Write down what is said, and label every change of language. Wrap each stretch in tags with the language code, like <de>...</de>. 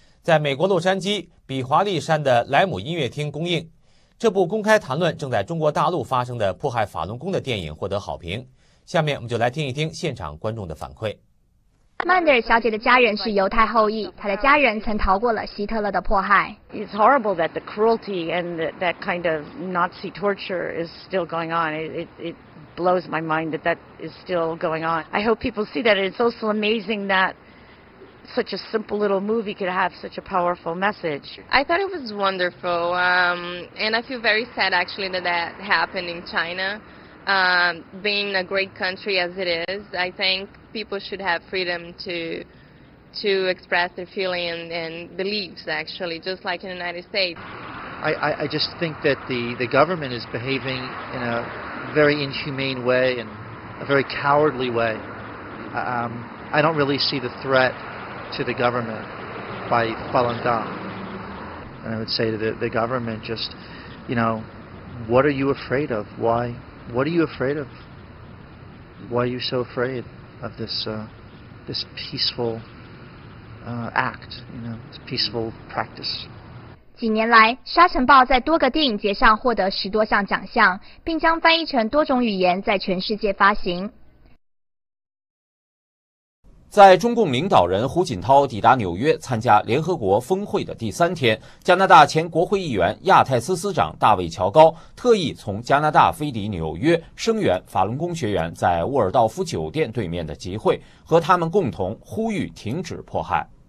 <zh>在美国洛杉矶比华利山的莱姆音乐厅公映。这部公开谈论正在中国大陆发生的迫害法轮功的电影获得好评。下面我们就来听一听现场观众的反馈。曼德尔小姐的家人是犹太后裔，她的家人曾逃过了希特勒的迫害。</zh> <en>It's horrible that the cruelty and that kind of Nazi torture is still going on. It blows my mind that that is still going on. I hope people see that. It's also amazing that such a simple little movie could have such a powerful message. I thought it was wonderful, and I feel very sad actually that that happened in China. Being a great country as it is, I think. People should have freedom to express their feeling and beliefs, actually, just like in the United States. I just think that the government is behaving in a very inhumane way and a very cowardly way. I don't really see the threat to the government by Falun Gong. And I would say to the government, just, you know, what are you afraid of? Why? What are you afraid of? Why are you so afraid? Of this, this peaceful, act, you know, this peaceful practice.</en> <zh>几年来，沙尘暴在多个电影节上获得十多项奖项，并将翻译成多种语言在全世界发行。在中共领导人胡锦涛抵达纽约参加联合国峰会的第三天，加拿大前国会议员亚太司司长大卫·乔高特意从加拿大飞抵纽约，声援法轮功学员在沃尔道夫酒店对面的集会，和他们共同呼吁停止迫害。</zh>